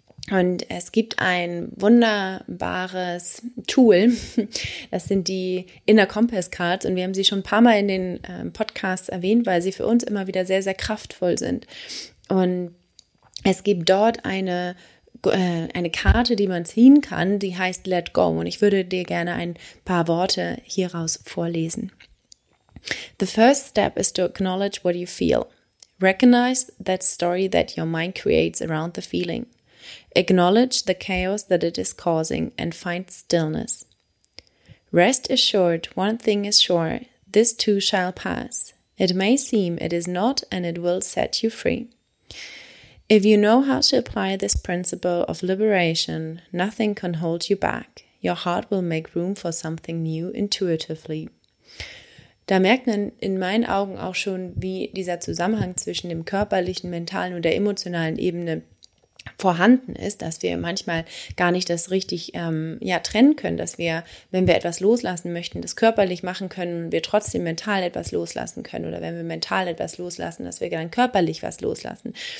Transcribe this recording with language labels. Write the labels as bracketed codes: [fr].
[de] Und es gibt ein wunderbares Tool, das sind die Inner Compass Cards und wir haben sie schon ein paar Mal in den Podcasts erwähnt, weil sie für uns immer wieder sehr, sehr kraftvoll sind. Und es gibt dort eine Karte, die man ziehen kann, die heißt Let Go. Und ich würde dir gerne ein paar Worte hieraus vorlesen. [en] The first step is to acknowledge what you feel. Recognize that story that your mind creates around the feeling. Acknowledge the chaos that it is causing and find stillness. Rest assured, one thing is sure, this too shall pass. It may seem it is not and it will set you free. If you know how to apply this principle of liberation, nothing can hold you back. Your heart will make room for something new intuitively. [de] Da merkt man in meinen Augen auch schon, wie dieser Zusammenhang zwischen dem körperlichen, mentalen und der emotionalen Ebene vorhanden ist, dass wir manchmal gar nicht das richtig trennen können, dass wir, wenn wir etwas loslassen möchten, das körperlich machen können und wir trotzdem mental etwas loslassen können oder wenn wir mental etwas loslassen, dass wir dann körperlich was loslassen.